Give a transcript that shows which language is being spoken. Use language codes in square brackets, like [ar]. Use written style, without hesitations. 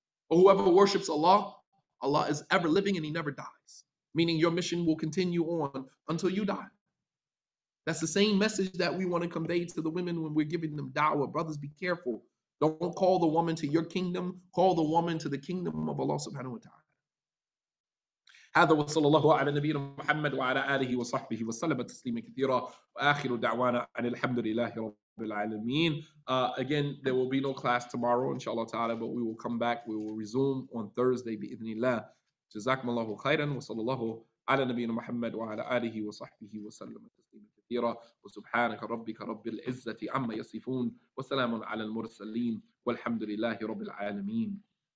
[en] But whoever worships Allah, Allah is ever living and he never dies. Meaning your mission will continue on until you die. That's the same message that we want to convey to the women when we're giving them da'wah. Brothers, be careful. Don't call the woman to your kingdom. Call the woman to the kingdom of Allah subhanahu wa ta'ala. [ar] هذا وصلى الله على نبينا محمد وعلى آله وصحبه وسلم تسليما كثيرا وآخر دعوانا أن الحمد لله رب العالمين. [en] Again, there will be no class tomorrow, inshallah ta'ala, but we will come back. We will resume on Thursday, بإذن الله. [ar] جزاكم الله خيرا وصلى الله على نبينا محمد وعلى آله وصحبه وسلم تسليما كثيرا وسبحانك ربك رب العزة عما يصفون وسلام على المرسلين والحمد لله رب العالمين.